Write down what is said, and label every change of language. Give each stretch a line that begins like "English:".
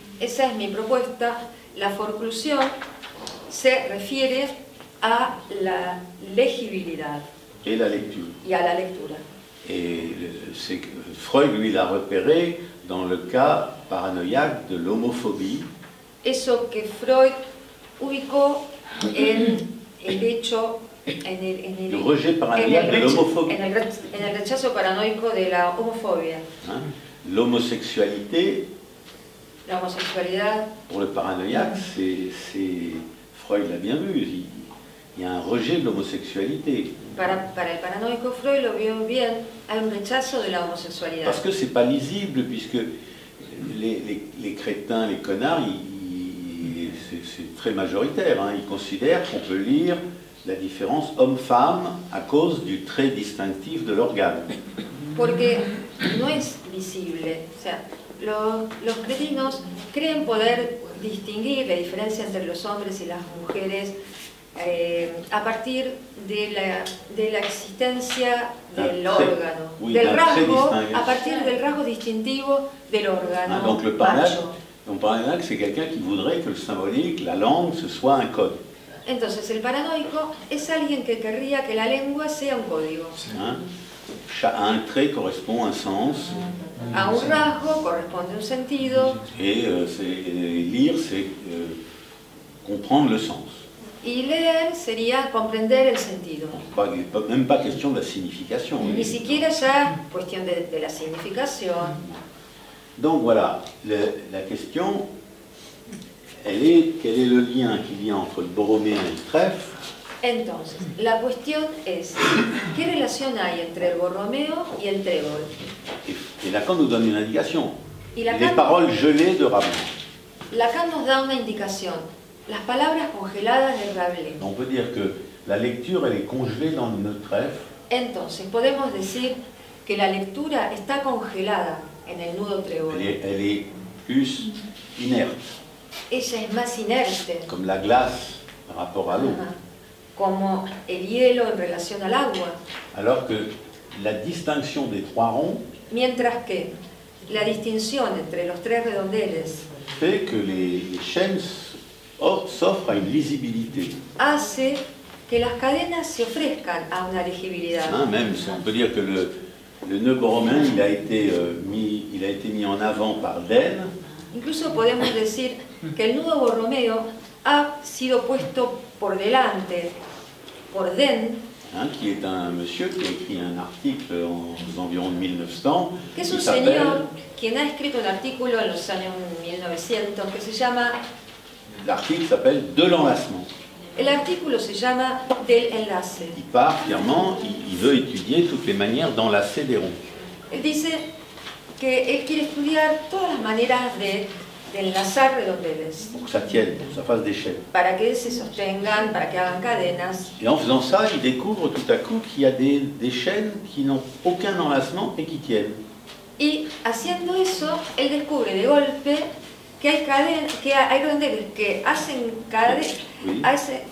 Spanish: Esa es mi propuesta. La forclusión se refiere a la legibilidad.
French: Et la lecture.
Spanish: Y a la lectura.
French: Et c'est Freud, lui, l'a repéré dans le cas paranoïaque de l'homophobie.
Spanish: Eso que Freud ubicó en el hecho...
French: Le rejet paranoïaque de l'homophobie.
Spanish: En el rechazo paranoico de la homofobia.
French: Hein? L'homosexualité.
Spanish: La homosexualidad.
French: Pour le paranoïaque, c'est Freud l'a bien vu. Il y a un rejet de l'homosexualité.
Spanish: Para el paranoico Freud lo vio bien. Hay un rechazo de la homosexualidad.
French: Parce que c'est pas lisible, puisque les crétins, les connards, c'est très majoritaire. Hein? Ils considèrent qu'on peut lire la différence homme-femme à cause du trait distinctif de l'organe.
Spanish: Porque no es visible. O sea, los cretinos creen poder distinguir la diferencia entre los hombres y las mujeres a partir de la existencia del órgano,
French: oui,
Spanish: del rasgo, a partir del rasgo distintivo del órgano.
French: Ah, donc le paranoïaque, c'est quelqu'un qui voudrait que le symbolique, la langue, ce soit un code.
Spanish: Entonces, el paranoico es alguien que querría que la lengua sea un código. Hein?
French: Un trait correspond à un sens.
Spanish: A un rasgo corresponde un sentido.
French: Et lire, c'est comprendre le sens.
Spanish: Y leer sería comprender el sentido.
French: Même pas question de la signification.
Spanish: Ni siquiera ya cuestión de la significación.
French: Donc voilà, la question... Quel est le lien qu'il y a entre le borroméen et le trèfle?
Spanish: Entonces,
French: la question est, quelle
Spanish: relation y a entre le borroméo y el trébol?
French: Et Lacan nous donne une indication. Les paroles gelées de Rabelais. Lacan nous donne une indication.
Spanish: Las palabras congeladas de Rabelais.
French: On peut dire que la lecture, elle est congelée dans le trèfle.
Spanish: Entonces, podemos decir que la lectura está congelada en el nudo trébol.
French: Elle est plus inerte.
Spanish: Ella es más inerte.
French: Comme la glace par rapport à l'eau.
Spanish: Como el hielo en relación al agua.
French: Alors que la distinction des trois ronds.
Spanish: Mientras que la distinción entre los tres redondeles.
French: Fait que les chaînes s'offrent à une lisibilité.
Spanish: Hace que las cadenas se ofrezcan a una legibilidad.
French: Hein, même si on peut dire que le nœud borroméen, il a été mis en avant par Dehn.
Spanish: Incluso podemos decir que el nudo borromeo ha sido puesto por delante, por Dehn.
French: Hein, qui est un monsieur qui a écrit un article aux environs de 1900.
Spanish: Que es un señor quien ha escrito un artículo en los años 1900 que se llama...
French: L'article s'appelle De l'enlacement.
Spanish: El artículo se llama Del enlace.
French: Il part fièrement, il veut étudier toutes les manières d'enlacer des ronds. Il dit que
Spanish: él quiere estudiar todas las maneras de enlazar redondeles.
French: Pour que ça tienne, pour que ça fasse des chaînes.
Spanish: Para que se sostengan, para que hagan cadenas.
French: Et en faisant ça, il découvre tout à coup qu'il y a des chaînes qui n'ont aucun enlacement et qui tiennent.
Spanish: Y haciendo eso, él descubre de golpe que hay cadenas, que hay redondeles que hacen cadenas.